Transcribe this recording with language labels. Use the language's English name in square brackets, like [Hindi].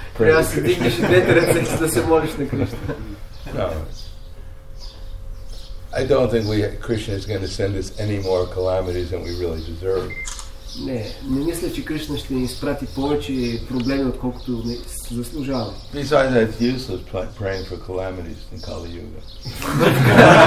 [Bulgarian] Трябва да си дигнеш двете ръце, за да се молиш на Кришна. [English] No. I don't think Krishna is going to send us any more calamities than we really deserve. [Bulgarian] Не, не мисля, че Кришна ще ни изпрати повече проблеми, отколкото ми заслужава. [English] Besides, it's useless praying for calamities in Kali Yuga.